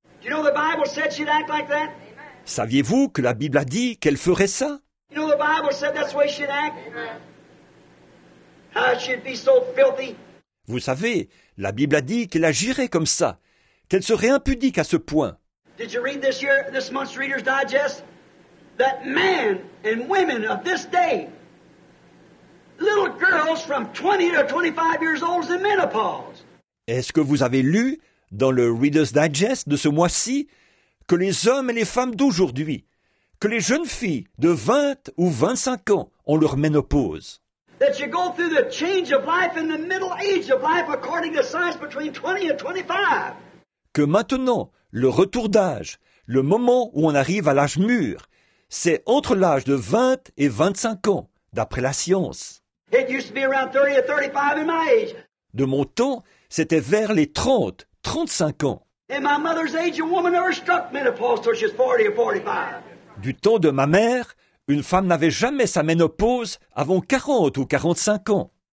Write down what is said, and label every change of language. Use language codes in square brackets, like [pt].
[en] You know, the Bible said she'd act like that? [fr] Saviez-vous que la Bible a dit qu'elle ferait ça? [en] You know, the Bible said that's the way she'd act? How she'd be so filthy? [fr] Vous savez, la Bible a dit qu'elle agirait comme ça, qu'elle serait impudique à ce point. [en] Did you read this year, this month's Reader's Digest? That men and women of this day, little girls from 20 to 25 years old, is in menopause. [fr] Est-ce que vous avez lu dans le Reader's Digest de ce mois-ci que les hommes et les femmes d'aujourd'hui, que les jeunes filles de 20 ou 25 ans ont leur ménopause? [en] That you go through the change of life in the middle age of life according to science between 20 and 25. [fr] Que maintenant, le retour d'âge, le moment où on arrive à l'âge mûr, c'est entre l'âge de 20 et 25 ans, d'après la science. [en] It used to be around 30 or 35 in my age. [fr] De mon temps, c'était vers les 30, 35 ans. [en] In my mother's age, a woman never struck menopause till she's 40 or 45. [fr] Du temps de ma mère, une femme n'avait jamais sa ménopause avant 40 ou 45 ans.